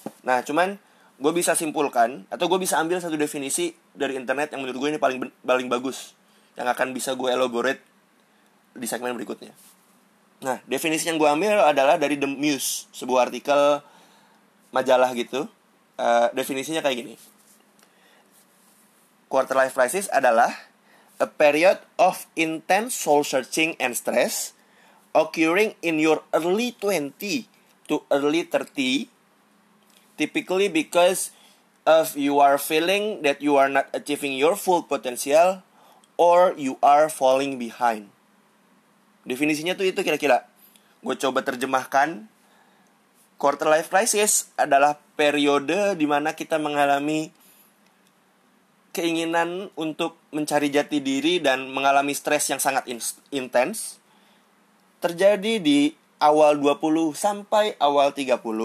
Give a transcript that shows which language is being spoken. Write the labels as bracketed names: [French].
[Indonesian] Nah, cuman gue bisa simpulkan atau gue bisa ambil satu definisi dari internet yang menurut gue ini paling bagus, yang akan bisa gue elaborate di segmen berikutnya. Nah, definisi yang gue ambil adalah dari The Muse, sebuah artikel majalah gitu. Definisinya kayak gini. Quarter life crisis adalah [English] a period of intense soul searching and stress occurring in your early 20 to early 30, typically because of you are feeling that you are not achieving your full potential or you are falling behind. [Indonesian] Definisinya tuh itu kira-kira. Gue coba terjemahkan. Quarter life crisis adalah periode di mana kita mengalami keinginan untuk mencari jati diri dan mengalami stres yang sangat intens. Terjadi di awal 20 sampai awal 30.